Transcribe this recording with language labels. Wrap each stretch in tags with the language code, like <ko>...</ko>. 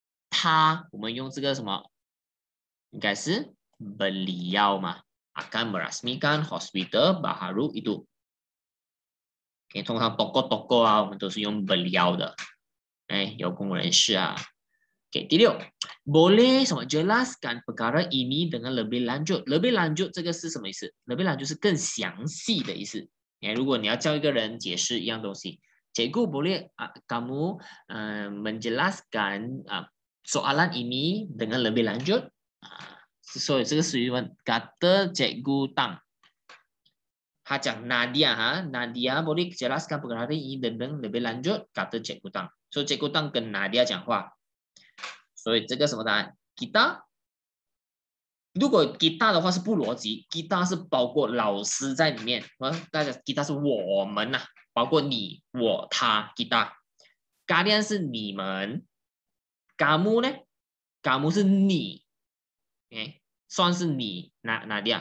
<zh>他，我们用这个什么？应该是 beliau 嘛 ，</zh> <ms>akan merasmikan hospital baharu itu。</ms> <zh>Okay, 通常 toko-toko 啊，我们都是用 beliau 的，哎，有公人士啊。</zh> <ms>Okay,</ms> <zh>第六</zh> <ms>，boleh 什么 jelaskan perkara ini dengan lebih lanjut？</ms> <zh>Lebih lanjut 这个是什么意思？Lebih lanjut 是更详细的意思。哎，如果你要叫一个人解释一样东西，结果</zh> <ms>boleh kamu menjelaskan soalan ini dengan lebih lanjut，</ms> <zh>所以这个是问 kata cikgu Tang， 他讲 Nadia 哈 ，</zh> <ms>Nadia boleh jelaskan perkara ini dengan lebih lanjut， kata cikgu Tang，</ms> <zh>所以 cikgu Tang 跟 Nadia 讲话，所以这个什么答案？ kita， 如果 kita 的话是不逻辑， kita 是包括老师在里面，大家 kita 是我们呐，包括你、我、他， kita， kalian 是你们。 Kamu 呢 ？Kamu 是你 ，OK， 算是你哪里啊？</zh>